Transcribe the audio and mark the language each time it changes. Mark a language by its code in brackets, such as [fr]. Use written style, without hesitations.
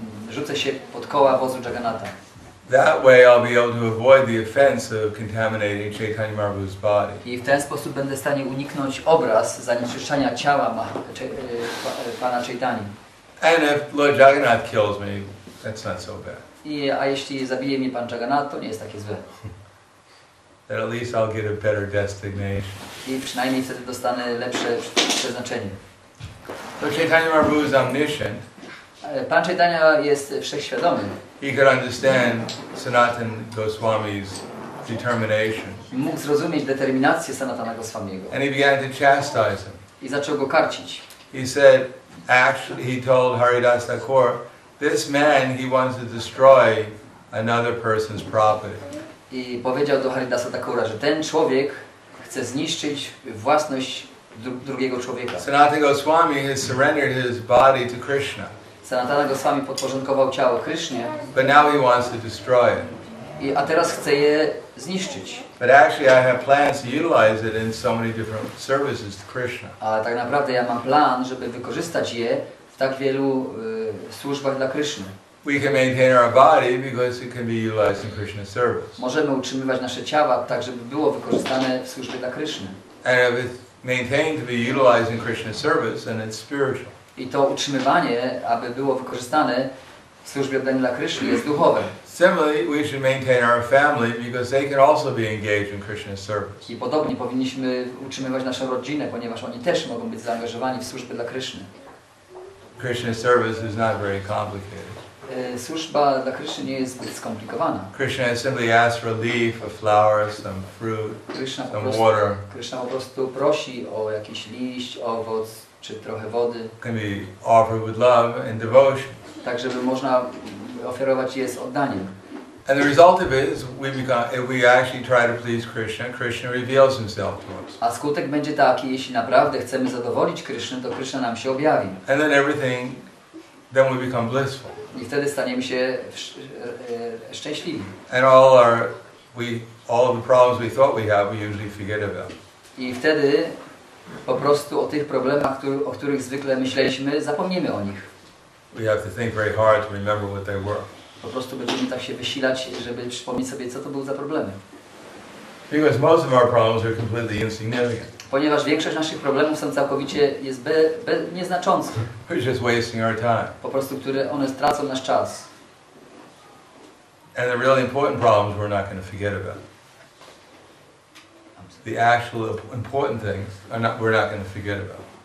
[pl] Rzucę się pod koła wozu Jagannatha. [en] That way I'll be able to avoid the offense of contaminating Chaitanya Mahaprabhu's body. [pl] I w ten sposób będę w stanie uniknąć obraz zanieczyszczania ciała pana Chaitanya. [en] And if Lord Jagannath kills me, that's not so bad. [pl] A jeśli zabije mnie pan Jagannath, to nie jest takie złe. [en] Then at least I'll get a better destination. [pl] I przynajmniej wtedy dostanę lepsze przeznaczenie. [en] So Chaitanya Mahaprabhu is omniscient. [pl] Pan Chaitanya jest wszechświadomy. [en] He could understand Sanatan Goswami's determination. [pl] Mógł zrozumieć determinację Sanatana Goswamiego. [en] And he began to chastise him. [pl] I zaczął go karcić. [en] He said, actually, he told Haridas Thakur, this man, he wants to destroy another person's property. [pl] I powiedział do Haridasa Thakura, że ten człowiek chce zniszczyć własność drugiego człowieka. [en] Sanatan Goswami has surrendered his body to Krishna. [pl] Sanatana Goswami podporządkował ciało Krishnie. [en] But now he wants to destroy it. [pl] A teraz chce je zniszczyć. [en] But actually I have plans to utilize it in so many different services to Krishna. [pl] Ale tak naprawdę ja mam plan, żeby wykorzystać je w tak wielu służbach dla Krishny. [en] We can maintain our body because it can be utilized in Krishna's service. [pl] Możemy utrzymywać nasze ciała tak, żeby było wykorzystane w służbie dla Krishny. [en] And if it's maintained to be utilized in Krishna's service, then it's spiritual. [pl] I to utrzymywanie, aby było wykorzystane w służbie Daniela Kryszny jest duchowym. [en] Similarly, we should maintain our family because they can also be engaged in Krishna service. [pl] I podobnie powinniśmy utrzymywać naszą rodzinę, ponieważ oni też mogą być zaangażowani w służbę dla Kryszny. [en] Krishna service is not very complicated. [pl] Służba dla Kryszny nie jest zbyt skomplikowana. [en] Krishna simply asks for a leaf, a flower, some fruit, some water. [pl] Krishna po prostu prosi o jakiś liść, owoc czy trochę wody. [en] Can be offered with love and devotion. [pl] Tak, żeby można oferować je z oddaniem. [en] And the result of it is we become, if we actually try to please Krishna, Krishna reveals himself to us. [pl] A skutek będzie taki, jeśli naprawdę chcemy zadowolić Krishnę, to Krishna nam się objawi. [en] And then everything, then we become blissful. [pl] I wtedy staniemy się szczęśliwi. [en] And all our, all the problems we thought we have, we usually forget about. [pl] I wtedy po prostu o tych problemach, o których zwykle myśleliśmy, zapomnimy o nich. [en] We have to think very hard to remember what they were. [pl] Po prostu będziemy tak się wysilać, żeby przypomnieć sobie, co to były za problemy. [en] Because most of our problems are completely insignificant. [pl] Ponieważ większość naszych problemów są całkowicie jest nieznaczące. [en] We're just wasting our time. [pl] Po prostu, które one stracą nasz czas. [en] And the really important problems we're not going to forget about. The actual important things are not, we're not going to forget about.